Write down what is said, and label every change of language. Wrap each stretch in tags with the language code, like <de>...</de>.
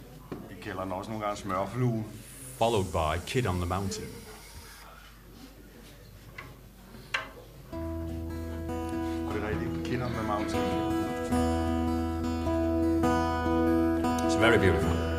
<da>Vi kalder den også nogle gange smørflue.</da> <en>Followed by Kid on the Mountain.</en> <da>Og det er rigtigt, Kid on the Mountain.</da> <en>It's very beautiful.</en>